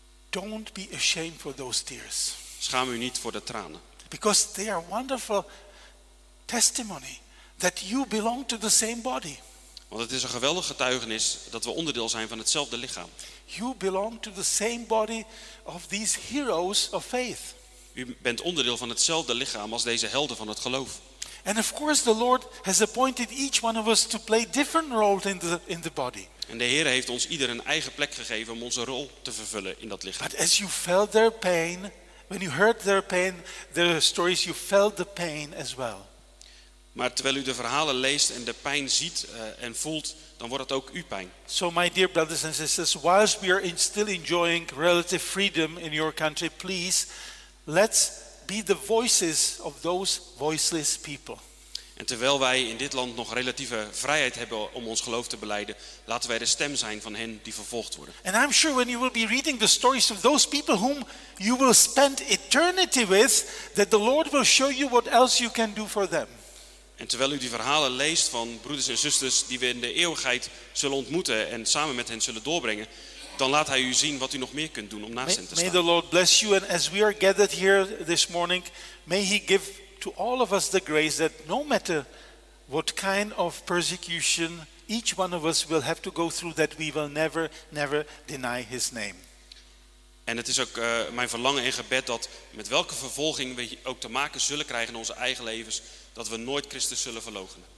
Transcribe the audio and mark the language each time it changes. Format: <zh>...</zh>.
<en>Don't be ashamed for those tears.</en> <nl>Schaam u niet voor de tranen.</nl> <en>Because they are wonderful testimony that you belong to the same body.</en> <nl>Want het is een geweldig getuigenis dat we onderdeel zijn van hetzelfde lichaam.</nl> <en>You belong to the same body of these heroes of faith.</en> <nl>U bent onderdeel van hetzelfde lichaam als deze helden van het geloof.</nl> <en>And of course the Lord has appointed each one of us to play different roles in the body.</en> <nl>En de Heer heeft ons ieder een eigen plek gegeven om onze rol te vervullen in dat lichaam.</nl> <en>But as you felt their pain, when you heard their pain, their stories, you felt the pain as well.</en> <nl>Maar terwijl u de verhalen leest en de pijn ziet en voelt, dan wordt het ook uw pijn.</nl> <en>So my dear brothers and sisters, whilst we are still enjoying relative freedom in your country, please let's be the voices of those voiceless people.</en> <nl>En terwijl wij in dit land nog relatieve vrijheid hebben om ons geloof te belijden, laten wij de stem zijn van hen die vervolgd worden.</nl> <en>And I'm sure when you will be reading the stories of those people whom you will spend eternity with, that the Lord will show you what else you can do for them.</en> <nl>En terwijl u die verhalen leest van broeders en zusters die we in de eeuwigheid zullen ontmoeten en samen met hen zullen doorbrengen, dan laat hij u zien wat u nog meer kunt doen om naast hen te staan.</nl> <en>May the Lord bless you, and as we are gathered here this morning, may he give to all of us the grace that no matter what kind of persecution each one of us will have to go through, that we will never, never deny his name.</en> <nl>En het is ook mijn verlangen en gebed dat met welke vervolging we ook te maken zullen krijgen in onze eigen levens, dat we nooit Christus zullen verloochenen.</nl>